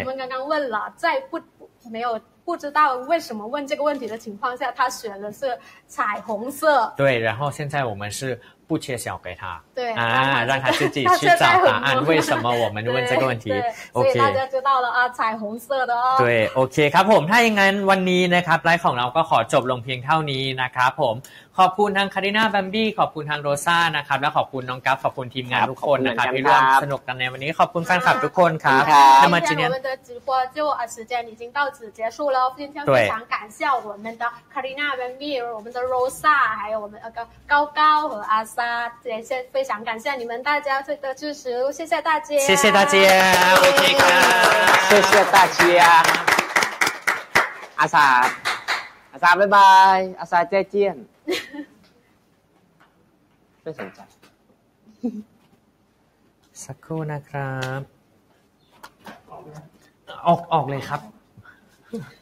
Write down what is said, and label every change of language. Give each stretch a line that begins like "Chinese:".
Chinese: 我们刚刚问了，在不知道为什么问这个问题的情况下，他选的是彩虹色。对，然后现在我们是。不揭晓给他，对啊，让他自己去找答案。为什么我们问这个问题？OK， 所以大家知道了啊，彩虹色的哦。对
Thai: ，OK， ครับผมถ้าอย่างนั้นวันนี้นะครับไลฟ์ของเราก็ขอจบลงเพียงเท่านี้นะครับผมขอบคุณทางคาริน่าแบมบี้ขอบคุณทางโรซ่านะครับและขอบคุณน้องกัฟขอบคุณทีมงานทุกคนนะครับที่ร่วมสนุกกันในวันนี้ขอบคุณแฟนคลับทุกคนครับ ถ้ ามาที่นี่
Chinese: 我们的直播就啊时间已经到此结束了今天非常感谢我们的คาริน่าแบมบี้我们的โรซ่า还有我们高高和阿萨这些非常感谢你们大家的支持谢谢大家谢谢大家 OK 啊谢谢大家阿萨阿萨拜拜阿萨再见
Thai: ไม่สนใจ สักครู่นะครับออกเลยครับออ